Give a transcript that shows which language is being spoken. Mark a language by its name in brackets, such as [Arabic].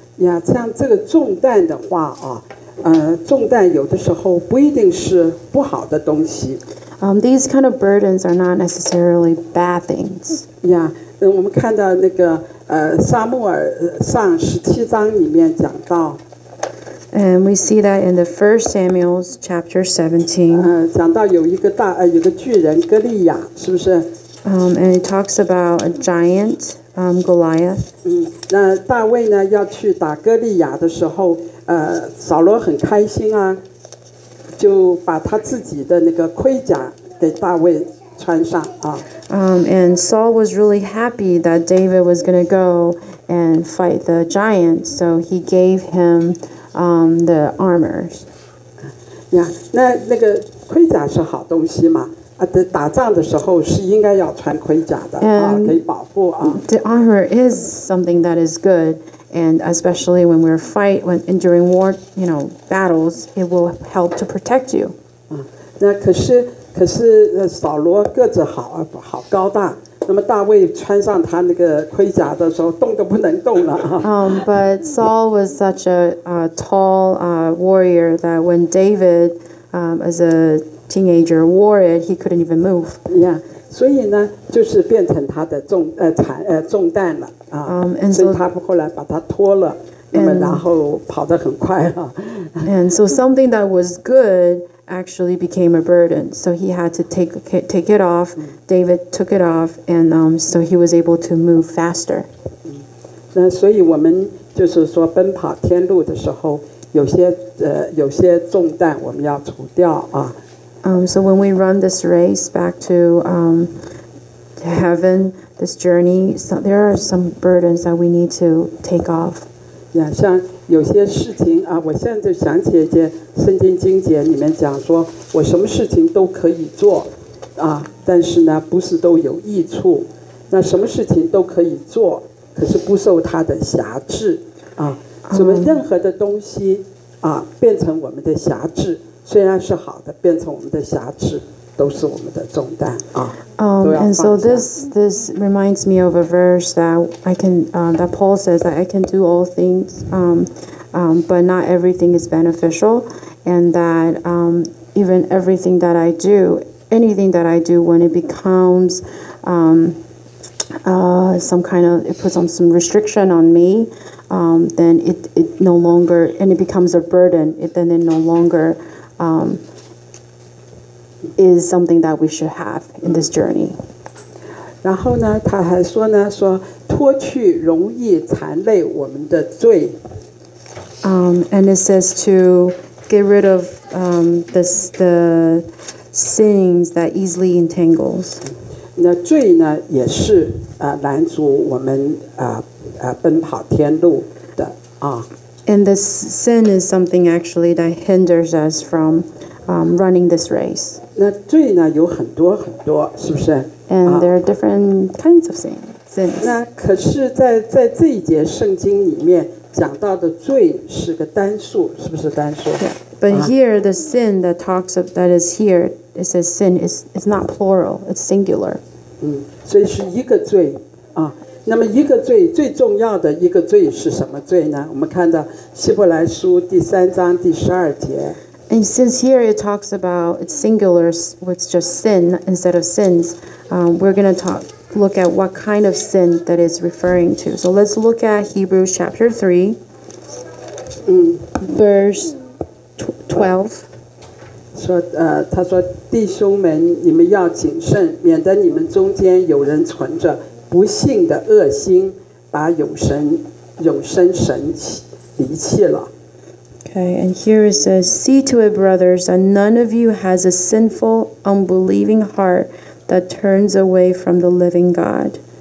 [Chinese] Yeah, 像这个重担的话啊，重担有的时候不一定是不好的东西。 [English] These kind of burdens are not necessarily bad things. [Chinese] Yeah, 我们看到那个撒母耳上十七章里面讲到。 [English] And we see that in the 1 Samuel chapter 17. [Chinese] 讲到有一个大有个巨人哥利亚，是不是？ [English] And it talks about a giant, Goliath. [Chinese] 那大卫呢要去打哥利亚的时候，扫罗很开心啊，就把他自己的那个盔甲给大卫穿上啊。 [English] And Saul was really happy that David was going to go and fight the giant, so he gave him the armor. [Chinese] Yeah, 那个盔甲是好东西嘛？打仗的时候是应该要穿盔甲的啊，可以保护啊。 [English] The armor is something that is good, and especially when we're fight when during war, you know, battles, it will help to protect you. [Chinese] 那可是扫罗个子好高大，那么大卫穿上他那个盔甲的时候，动都不能动了。 [English] But Saul was such a tall warrior that when David, as a teenager, wore it, he couldn't even move. [Chinese] Yeah, 所以呢，就是变成他的重担了啊。 [English] And so, [Chinese] 所以他后来把他脱了，那么然后跑得很快啊。 [English] And so something that was good. Actually became a burden, so he had to take it off. David took it off, and so he was able to move faster. [Chinese] 那所以我们就是说奔跑天路的时候，有些重担我们要除掉啊。 [English] So when we run this race back to heaven, this journey, so there are some burdens that we need to take off. [Chinese] Yeah, 像有些事情啊，我现在就想起一件。圣经经节里面讲说，我什么事情都可以做，啊，但是呢，不是都有益处。那什么事情都可以做，可是不受它的辖制，啊，什么任何的东西啊，变成我们的辖制，虽然是好的，变成我们的辖制，都是我们的重担啊。 [English] And so this reminds me of a verse that I can that Paul says that I can do all things. But not everything is beneficial, and that even everything that I do, anything that I do, when it becomes some kind of, it puts on some restriction on me, then it no longer, and it becomes a burden, then it no longer is something that we should have in this journey. [Chinese] 然后呢，他还说呢，说脱去容易缠累我们的罪。 [English] And it says to get rid of the sins that easily entangles. [Chinese] 那罪呢也是拦阻我们奔跑天路的啊。 [English] And this sin is something actually that hinders us from running this race. [Chinese] 那罪呢有很多很多，是不是？ [English] And there are different kinds of sins. [Chinese] 那可是在这一节圣经里面。讲到的罪是个单数，是不是单数？ [English] Yeah, but here the sin that talks of that is here, it says sin is not plural, it's singular. [Chinese] 所以是一个罪啊。那么一个罪最重要的一个罪是什么罪呢？我们看到希伯来书第三章第十二节。 [English] And since here it talks about it's singular, it's just sin instead of sins, we're going to look at what kind of sin that it's referring to. So let's look at Hebrews chapter 3, verse 12. [Chinese] 他说弟兄们你们要谨慎免得你们中间有人存着不幸的恶心把永生神离弃了。 [English] Okay, and here it says, see to it, brothers, that none of you has a sinful, unbelieving heart that turns away from the living God.